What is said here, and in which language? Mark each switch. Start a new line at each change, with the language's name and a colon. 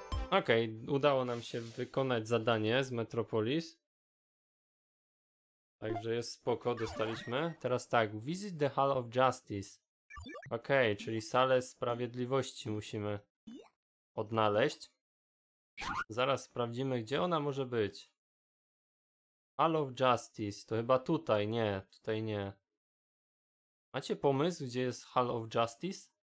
Polish: Okej, okay, udało nam się wykonać zadanie z Metropolis. Także jest spoko, dostaliśmy. Teraz tak,
English: visit the Hall of Justice.
Polish: Okej, okay, czyli salę sprawiedliwości musimy odnaleźć. Zaraz sprawdzimy, gdzie ona może być. Hall of Justice, to chyba tutaj, nie, tutaj nie. Macie pomysł, gdzie jest Hall of Justice?